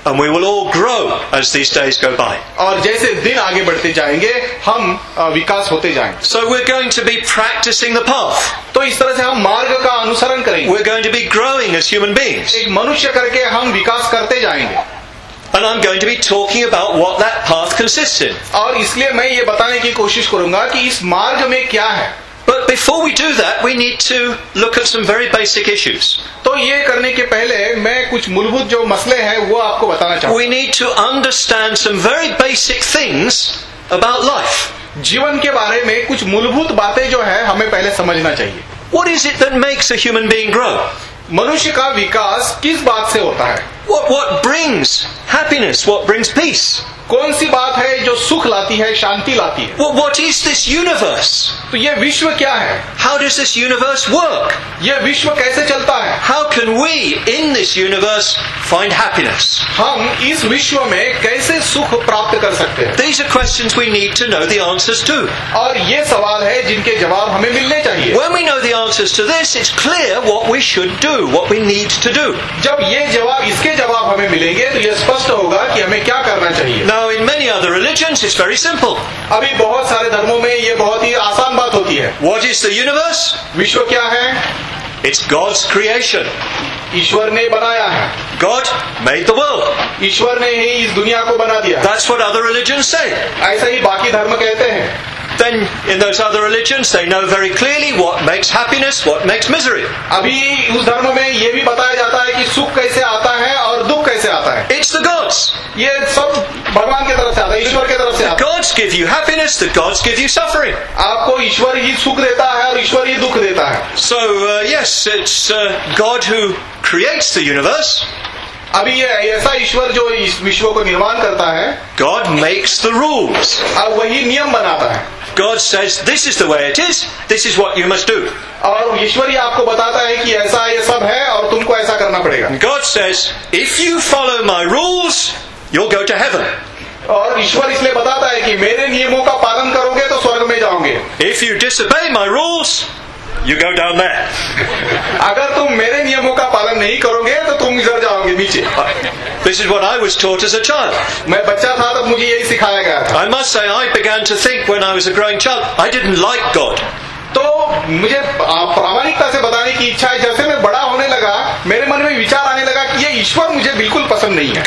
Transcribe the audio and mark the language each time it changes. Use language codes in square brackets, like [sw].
[en] And we will all grow as these days go by. [hi] और जैसे दिन आगे बढ़ते जाएंगे हम विकास होते जाएंगे. [en] So we're going to be practicing the path. [hi] तो इस तरह से हम मार्ग का अनुसरण करेंगे. [en] We're going to be growing as human beings. [hi] एक मनुष्य करके हम विकास करते जाएंगे. [en] And I'm going to be talking about what that path consists in. [hi] और इसलिए मैं ये बताने की कोशिश करूंगा कि इस मार्ग में क्या है. [en] But before we do that, we need to look at some very basic issues. [hi] तो ये करने के पहले मैं कुछ मूलभूत जो मसले हैं वो आपको बताना चाहूंगा. [en] We need to understand some very basic things about life. [hi] जीवन के बारे में कुछ मूलभूत बातें जो है हमें पहले समझना चाहिए. [en] What is it that makes a human being grow? [hi] मनुष्य का विकास किस बात से होता है? [en] What brings happiness? What brings peace? [hi] कौन सी बात है जो सुख लाती है, शांति लाती है? [en] What is this universe? [hi] तो ये विश्व क्या है? [en] How does this universe work? [hi] ये विश्व कैसे चलता है? [en] How can we in this universe find happiness? [hi] हम इस विश्व में कैसे सुख प्राप्त कर सकते हैं? [en] These are questions we need to know the answers to. [hi] और ये सवाल है जिनके जवाब हमें मिलने चाहिए. [en] When we know the answers to this, it's clear what we should do, what we need to do. [hi] जब ये जवाब इसके जवाब हमें मिलेंगे तो ये स्पष्ट होगा कि हमें क्या करना चाहिए. [en] Now in many other religions it's very simple. [hi] अभी बहुत सारे धर्मों में ये बहुत ही आसान बात होती है. [en] What is the universe? [hi] विश्व क्या है? [en] It's God's creation. [hi] ईश्वर ने बनाया है. [en] God made the world. [hi] ईश्वर ने ही इस दुनिया को बना दिया. [en] That's what other religions say. [hi] ऐसा ही बाकी धर्म कहते हैं. [en] Then in those other religions they know very clearly what makes happiness, what makes misery. [hi] अभी उस धर्म में ये भी बताया जाता है कि सुख कैसे आता है और दुख कैसे आता है. [en] It's the gods. [hi] ये सब भगवान की तरफ से आता है, ईश्वर की तरफ से आता है. [en] Gods give you happiness, the gods give you suffering. [hi] आपको ईश्वर ही सुख देता है और ईश्वर ही दुख देता है. [en] So yes, it's God who creates the universe. [hi] अभी ये ऐसा ईश्वर जो इस विश्व को निर्माण करता है. [en] God makes the rules. [hi] और वही नियम बनाता है. [en] God says this is the way it is, this is what you must do. [hi] और ईश्वर ही आपको बताता है कि ऐसा ये सब है और तुमको ऐसा करना पड़ेगा. [en] God says if you follow my rules you'll go to heaven. [hi] और ईश्वर इसलिए बताता है कि मेरे नियमों का पालन करोगे तो स्वर्ग में जाओगे. [en] If you disobey my rules you go down there. [hi] अगर तुम मेरे नियमों का पालन नहीं करोगे तो तुम इधर जाओगे नीचे. [en] This is what I was taught as a child. [hi] मैं बच्चा था तब मुझे यही सिखाया गया था. [en] I must say I began to think when I was a growing child I didn't like God. [hi] तो मुझे प्रामाणिकता से बताने की इच्छा है जैसे मैं बड़ा होने लगा मेरे मन में विचार आने लगा कि ये ईश्वर मुझे बिल्कुल पसंद नहीं है.